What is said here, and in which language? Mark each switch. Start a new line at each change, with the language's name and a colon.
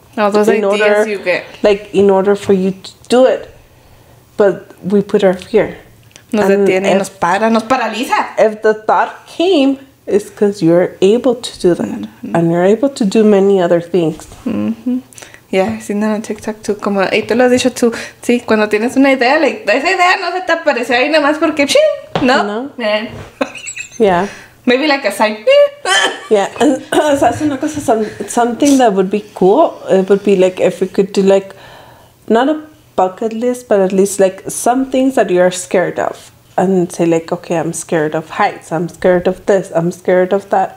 English: All those ideas order, you get. Like, in order for you to do it. But we put our fear.
Spanish: Nos detiene, nos para, nos paraliza.
English: If the thought came, it's because you're able to do that. Mm-hmm. And you're able to do many other things. Yeah, I've seen that on TikTok too.
Spanish: Como, y tú lo has dicho tú. Sí, cuando tienes una idea, like, esa idea no se te aparece ahí nomás porque, ching, no. No.
English: Yeah. Maybe like a sign. Yeah. So,
Spanish: es una cosa,
English: something that would be cool, it would be like, if we could do like, not a bucket list, but at least like some things that you are scared of, and say like, okay, I'm scared of heights, I'm scared of this, I'm scared of that.